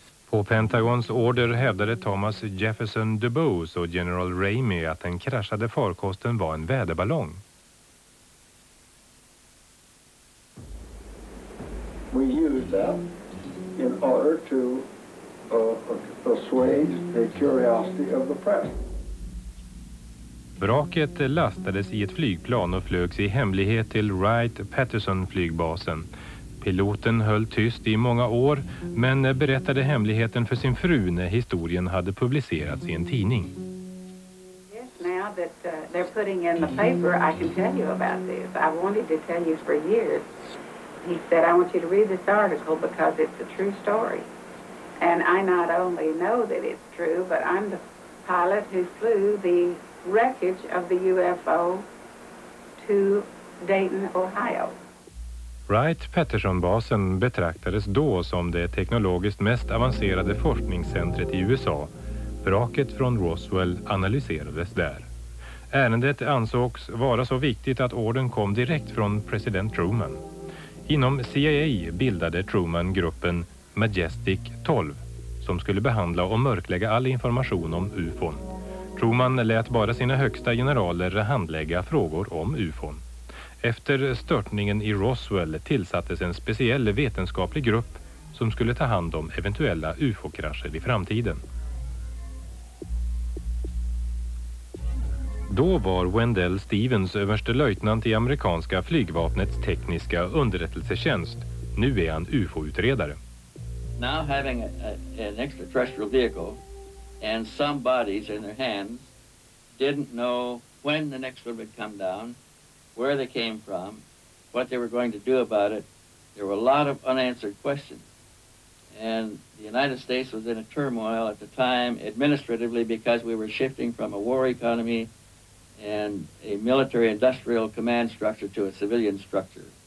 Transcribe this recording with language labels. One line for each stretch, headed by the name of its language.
Swedish: På Pentagons order hävdade Thomas Jefferson DeBose och General Ramey att den kraschade farkosten var en väderballong.
English: We used that in order to persuade the curiosity of the press.
Swedish: Vraket lastades i ett flygplan och flögs i hemlighet till Wright-Patterson-flygbasen. Piloten höll tyst i många år, men berättade hemligheten för sin fru när historien hade publicerats i en tidning.
English: Yes, now that they're putting in the paper, I can tell you about this. I wanted to tell you for years. He said, I want you to read this article because it's a true story. And I not only know that it's true, but I'm the pilot who flew the wreckage of the UFO to Dayton, Ohio.
Swedish: Wright-Patterson-basen betraktades då som det teknologiskt mest avancerade forskningscentret i USA. Vraket från Roswell analyserades där. Ärendet ansågs vara så viktigt att ordern kom direkt från president Truman. Inom CIA bildade Truman gruppen Majestic 12 som skulle behandla och mörklägga all information om UFO:n. Truman lät bara sina högsta generaler handlägga frågor om UFO:n. Efter störtningen i Roswell tillsattes en speciell vetenskaplig grupp som skulle ta hand om eventuella UFO-krascher i framtiden. Då var Wendell Stevens överste löjtnant i amerikanska flygvapnets tekniska underrättelsetjänst. Nu är han UFO-utredare.
English: Now having an extraterrestrial vehicle and some bodies in their hands, didn't know when the next one would come down, where they came from, what they were going to do about it. There were a lot of unanswered questions. And the United States was in a turmoil at the time administratively because we were shifting from a war economy and a military industrial command structure to a civilian structure.